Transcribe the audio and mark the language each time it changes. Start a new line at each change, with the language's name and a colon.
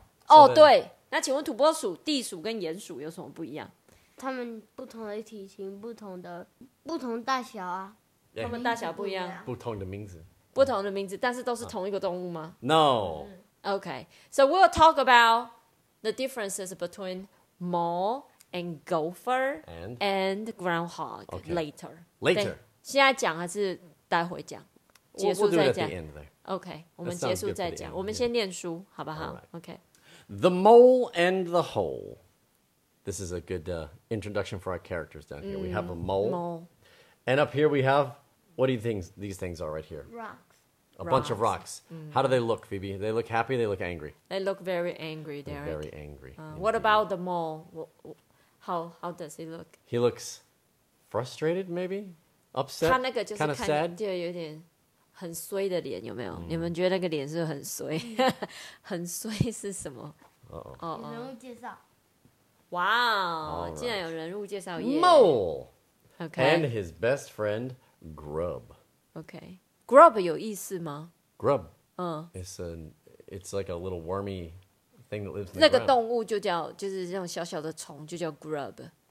Chinese: 哦、oh, 对那请问土拨鼠地鼠跟鼹鼠有什么不一样他们不同的体型不同大小啊、 yeah. 他们大小不一样不同的名字不同的名字但是都是同一个动物吗
English: No OK So we'll talk about the differences between mole and gopher and groundhog、 okay.
Chinese: later 现在讲还是待会讲结束再讲
English: we'll do it at the end
Chinese: OK, 我们结束再讲。我们先念书,好不好?
English: OK. The Mole and the Hole. This is a good introduction for our characters down here. We have a mole. And up here we have, what do you think these things are right here? Rocks. A bunch of rocks. How do they look, Phoebe? They look happy, they look angry. They look very angry, Derek. They're very angry. What about the mole? How does he look? He looks frustrated, maybe? Upset? Kind of sad?
Chinese: 对,有点。很衰的脸有没有？你们觉得那个脸是很衰？很衰是什么？哦哦，人物介绍。哇哦，竟然有人物介绍耶
English: ！Mole. OK. And his best friend Grub.
Chinese: OK. Grub 有意思吗
English: ？Grub. 嗯。 It's like a little wormy thing that lives.
Chinese: 那个动物就叫就是那种小小的虫，就叫 Grub.